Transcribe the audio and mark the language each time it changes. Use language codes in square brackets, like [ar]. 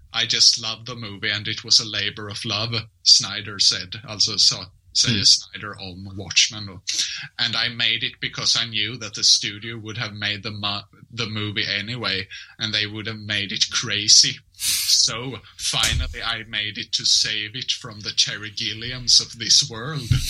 [en] I just loved the movie and it was a labor of love, Snyder said. [sv] Alltså säger Snyder om Watchmen då. [en] And I made it because I knew that the studio would have made the movie anyway, and they would have made it crazy. So finally I made it to save it from the Terry Gilliams of this world.